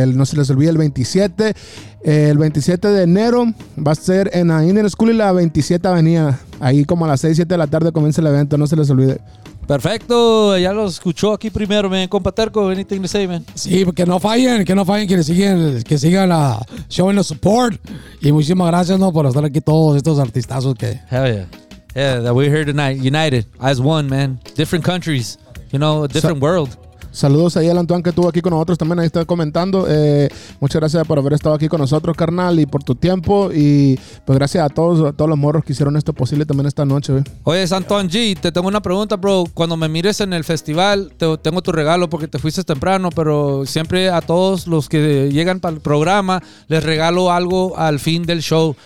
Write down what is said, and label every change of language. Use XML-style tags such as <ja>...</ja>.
<es>No se les olvide, el 27 de enero va a ser en la Indian School y la 27 avenida, ahí como a las 6, 7 de la tarde comienza el evento, no se les olvide. Perfecto, ya lo escuchó aquí primero, man. Compa Terco,</es> <en>anything to say, man.</en> <es>Sí, que no fallen, que no fallen, que sigan la show en los support. Y muchísimas gracias, ¿no?, por estar aquí todos estos artistazos que...</es> <en>Hell yeah. Yeah, that we're here tonight, united, as one, man. Different countries, you know, a different world.</en> <es>Saludos ahí al Antuan que estuvo aquí con nosotros también, ahí está comentando. Muchas gracias por haber estado aquí con nosotros, carnal, y por tu tiempo. Y pues gracias a todos los morros que hicieron esto posible también esta noche, güey. Oye, Antuan G, te tengo una pregunta, bro. Cuando me mires en el festival, tengo tu regalo porque te fuiste temprano, pero siempre a todos los que llegan para el programa, les regalo algo al fin del show.</es>